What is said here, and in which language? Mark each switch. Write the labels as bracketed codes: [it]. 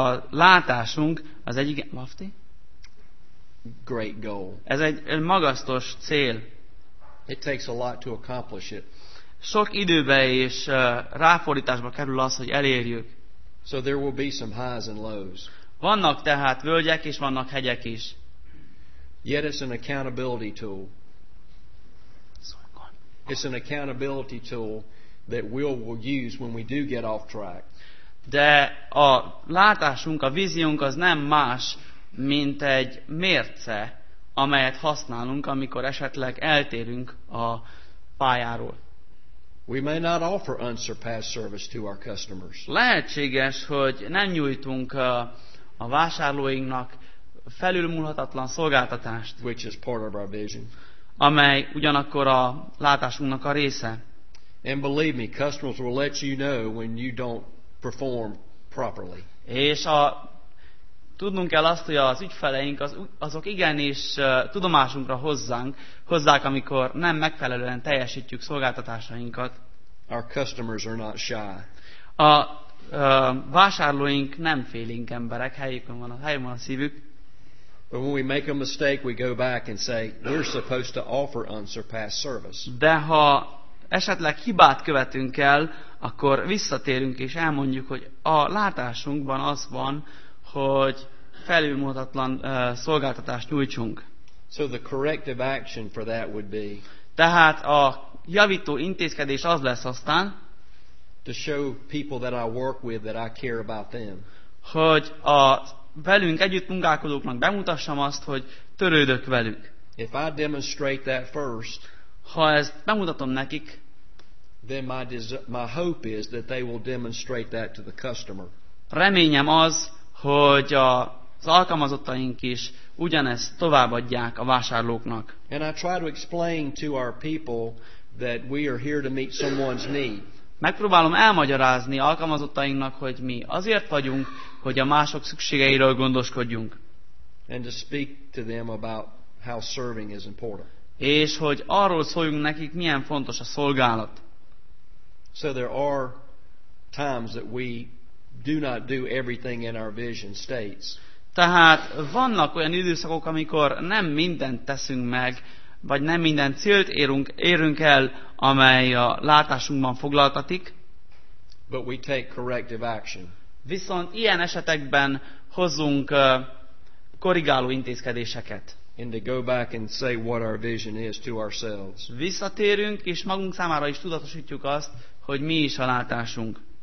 [hu] Látásunk az egyik [en] lofty. Great goal. [hu] Ez egy magasztos cél. [en] It takes a lot to accomplish it. [hu] Sok időbe és ráfordításba kerül az, hogy elérjük. [en] So there will be some highs and lows. [hu] Vannak tehát völgyek és vannak hegyek is. [en] Yet it's an accountability tool. It's an accountability tool that we'll use when we do get off track. [hu] De a látásunk, a víziónk az nem más, mint egy mérce, amelyet használunk, amikor esetleg eltérünk a pályáról. [en] We may not offer unsurpassed service to our customers. [hu] Lehetséges, hogy nem nyújtunk a vásárlóinknak felülmúlhatatlan szolgáltatást. [en] Which is part of our vision. [hu] Amely ugyanakkor a látásunknak a része. [en] And believe me, customers will let you know when you don't perform properly. [hu] És a tudnunk kell azt, hogy az ügyfeleink azok igenis tudomásunkra hozzák, amikor nem megfelelően teljesítjük szolgáltatásainkat. [en] Our customers are not shy. [hu] A vásárlóink nem félénk emberek, helyükön van a szívük. [en] But when we make a mistake, we go back and say we're supposed to offer unsurpassed service. [hu] De ha esetleg hibát követünk el, akkor visszatérünk és elmondjuk, hogy a látásunkban az van, hogy felülmúlhatatlan szolgáltatást nyújtsunk. [en] So the corrective action for that would be. [hu] Tehát a javító intézkedés az lesz aztán. [en] To show people that I work with that I care about them. [hu] Hogy a velünk együtt munkálkodóknak bemutassam azt, hogy törődök velük. [en] If I demonstrate that first. [hu] Ha ezt bemutatom nekik. [en] Then my hope is that they will demonstrate that to the customer. [hu] Reményem az, hogy az alkalmazottaink is ugyanezt továbbadják a vásárlóknak. [en] And I try to explain to our people that we are here to meet someone's need. [hu] Megpróbálom elmagyarázni alkalmazottainknak, hogy mi azért vagyunk, hogy a mások szükségeiről gondoskodjunk. [en] And to speak to them about how serving is important. [hu] És hogy arról szóljunk nekik, milyen fontos a szolgálat. [en] So there are times that we do not do everything in our vision states. [hu] Tehát vannak olyan időszakok, amikor nem mindent teszünk meg vagy nem minden célt érünk el, amely a látásunkban foglaltatik. [en] But we take corrective action. [hu] Viszont ilyen esetekben hozunk korrigáló intézkedéseket. [en] And to go back and say what our vision is to ourselves. [hu] Visszatérünk és magunk számára is tudatosítjuk azt, hogy mi is a látásunk.